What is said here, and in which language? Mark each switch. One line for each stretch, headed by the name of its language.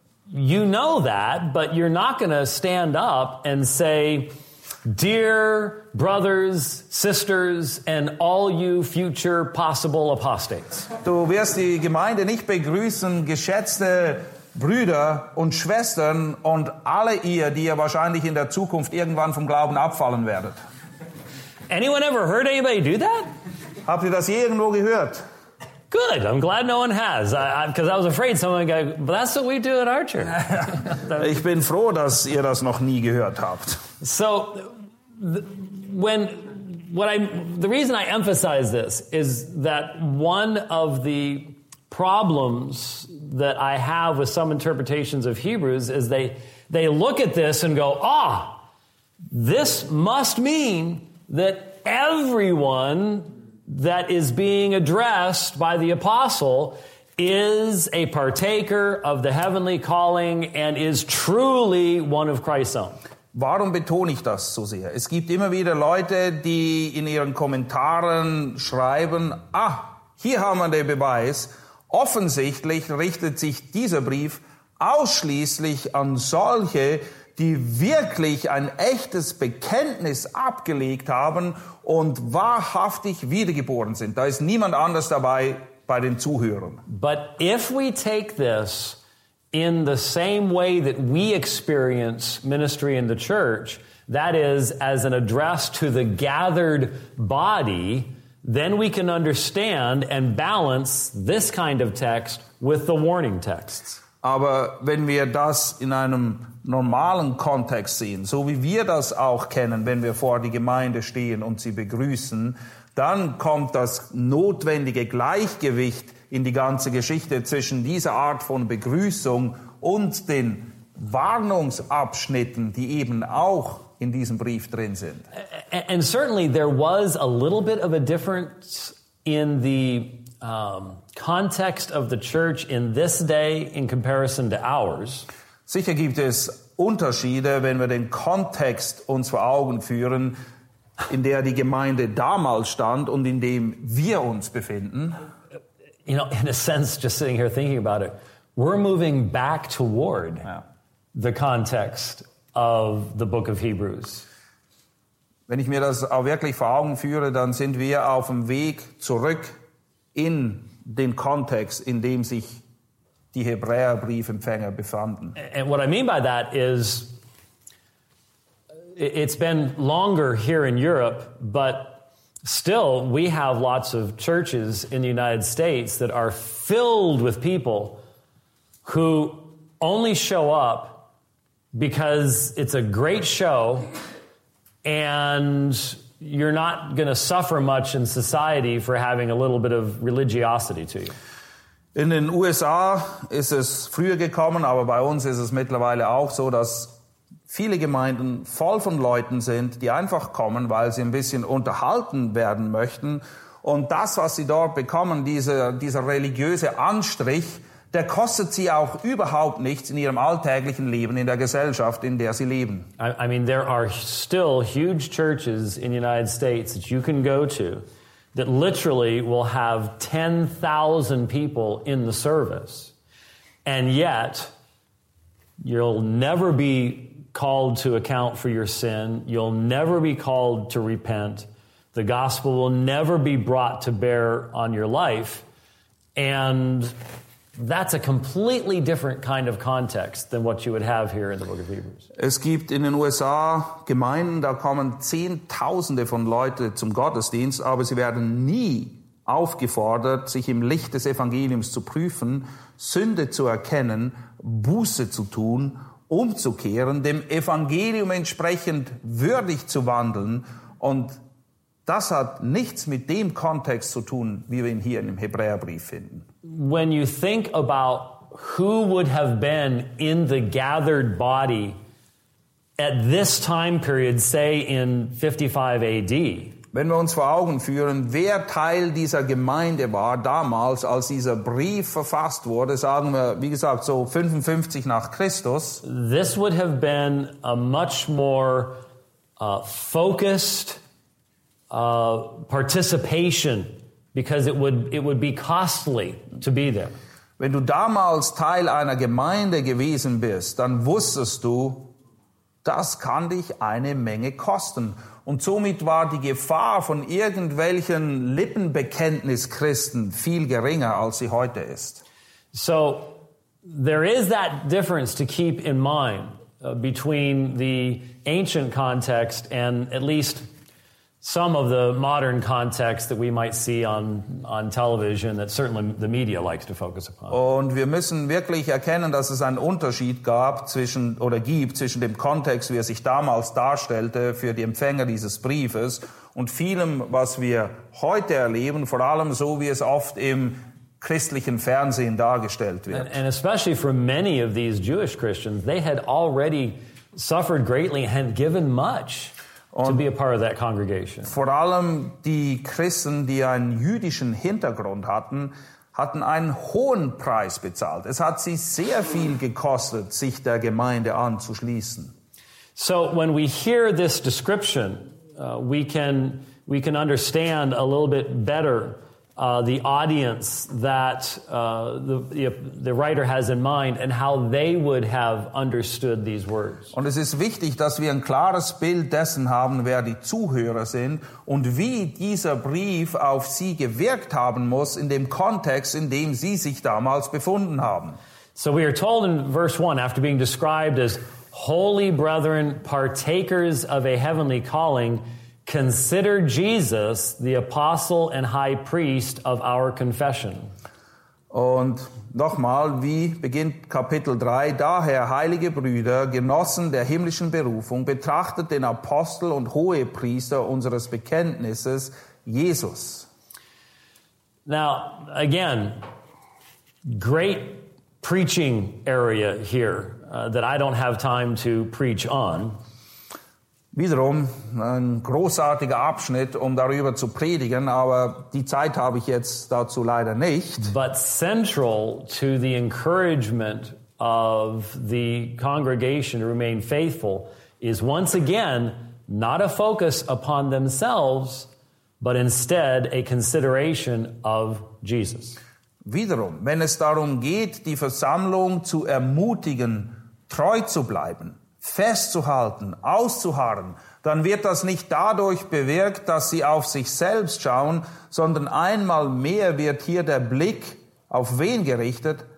English: You know that, but you're not going to stand up and say, dear brothers, sisters and all you future possible apostates.
German: Du wirst die Gemeinde nicht begrüßen, geschätzte Brüder und Schwestern und alle ihr, die ihr wahrscheinlich in der Zukunft irgendwann vom Glauben abfallen werdet.
English: Anyone ever heard anybody do that?
German: Habt ihr das je irgendwo gehört?
English: Good. I'm glad no one has. Because I was afraid someone would go, but that's what we do at our church.
German: Ich bin froh, dass ihr das noch nie gehört habt.
English: So, the reason I emphasize this is that one of the problems that I have with some interpretations of Hebrews is they look at this and go, ah, this must mean that everyone that is being addressed by the apostle is a partaker of the heavenly calling and is truly one of Christ's own.
German: Warum betone ich das so sehr? Es gibt immer wieder Leute, die in ihren Kommentaren schreiben, ah, hier haben wir den Beweis. Offensichtlich richtet sich dieser Brief ausschließlich an solche, die wirklich ein echtes Bekenntnis abgelegt haben und wahrhaftig wiedergeboren sind. Da ist niemand anders dabei bei den Zuhörern.
English: But if we take this in the same way that we experience ministry in the church, that is, as an address to the gathered body, then we can understand and balance this kind of text with the warning texts.
German: Aber wenn wir das in einem normalen Kontext sehen, so wie wir das auch kennen, wenn wir vor die Gemeinde stehen und sie begrüßen, dann kommt das notwendige Gleichgewicht in die ganze Geschichte zwischen dieser Art von Begrüßung und den Warnungsabschnitten, die eben auch in diesem Brief drin sind.
English: And certainly there was a little bit of a difference in the context of the church in this day in comparison to ours.
German: Sicher gibt es Unterschiede, wenn wir den Kontext uns vor Augen führen, in der die Gemeinde damals stand und in dem wir uns befinden.
English: You know, in a sense, just sitting here thinking about it, we're moving back toward the context of the book of Hebrews.
German: Wenn ich mir das auch wirklich vor Augen führe, dann sind wir auf dem Weg zurück in den Kontext, in dem sich die Hebräerbriefempfänger befanden.
English: And what I mean by that is, it's been longer here in Europe, but still, we have lots of churches in the United States that are filled with people who only show up because it's a great show and you're not going to suffer much in society for having a little bit of religiosity to you.
German: In den USA ist es früher gekommen, aber bei uns ist es mittlerweile auch so, dass viele Gemeinden voll von Leuten sind, die einfach kommen, weil sie ein bisschen unterhalten werden möchten. Und das, was sie dort bekommen, dieser religiöse Anstrich, der kostet sie auch überhaupt nichts in ihrem alltäglichen Leben, in der Gesellschaft, in der sie leben.
English: I mean, there are still huge churches in the United States that you can go to that literally will have 10,000 people in the service. And yet, you'll never be called to account for your sin, you'll never be called to repent, the gospel will never be brought to bear on your life, and that's a completely different kind of context than what you would have here in the book of Hebrews.
German: Es gibt in den USA Gemeinden, da kommen Zehntausende von Leuten zum Gottesdienst, aber sie werden nie aufgefordert, sich im Licht des Evangeliums zu prüfen, Sünde zu erkennen, Buße zu tun, umzukehren, dem Evangelium entsprechend würdig zu wandeln. Und das hat nichts mit dem Kontext zu tun, wie wir ihn hier im Hebräerbrief finden.
English: When you think about who would have been in the gathered body at this time period, say in 55 AD.
German: Wenn wir uns vor Augen führen, wer Teil dieser Gemeinde war damals, als dieser Brief verfasst wurde, sagen wir, wie gesagt, so 55 nach Christus.
English: This would have been a much more focused participation, because it would be costly to be there.
German: Wenn du damals Teil einer Gemeinde gewesen bist, dann wusstest du, das kann dich eine Menge kosten. Und somit war die Gefahr von irgendwelchen Lippenbekenntnis-Christen viel geringer, als sie heute ist.
English: So, there is that difference to keep in mind between the ancient context and at least some of the modern context that we might see on television, that certainly the media likes to focus upon.
German: Und wir müssen wirklich erkennen, dass es einen Unterschied gibt zwischen dem Kontext, wie er sich damals darstellte für die Empfänger dieses Briefes, und vielem, was wir heute erleben, vor allem so, wie es oft im christlichen Fernsehen dargestellt wird.
English: And especially for many of these Jewish Christians, they had already suffered greatly and given much to be a part of that congregation.
German: Vor allem die Christen, die einen jüdischen Hintergrund hatten, hatten einen hohen Preis bezahlt. Es hat sie sehr viel gekostet, sich der Gemeinde anzuschließen.
English: So when we hear this description, we can understand a little bit better the audience that the writer has in mind and how they would have understood these words.
German: Und es ist wichtig, dass wir ein klares Bild dessen haben, wer die Zuhörer sind und wie dieser Brief auf sie gewirkt haben muss in dem Kontext, in dem sie sich damals befunden haben.
English: So we are told in verse 1, after being described as holy brethren, partakers of a heavenly calling, consider Jesus the apostle and high priest of our confession.
German: Und nochmal, wie beginnt Kapitel 3? Daher, heilige Brüder, Genossen der himmlischen Berufung, betrachtet den Apostel und hohe Priester unseres Bekenntnisses, Jesus.
English: Now, again, great preaching area here that I don't have time to preach on.
German: Wiederum ein großartiger Abschnitt, um darüber zu predigen, aber die Zeit habe ich jetzt dazu leider nicht.
English: But central to the encouragement of the congregation to remain faithful is once again not a focus upon themselves, but instead a consideration of Jesus.
German: Wiederum, wenn es darum geht, die Versammlung zu ermutigen, treu zu bleiben, festzuhalten, auszuharren, dann wird das nicht dadurch bewirkt, dass sie auf sich selbst schauen, sondern einmal mehr wird hier der Blick auf wen gerichtet?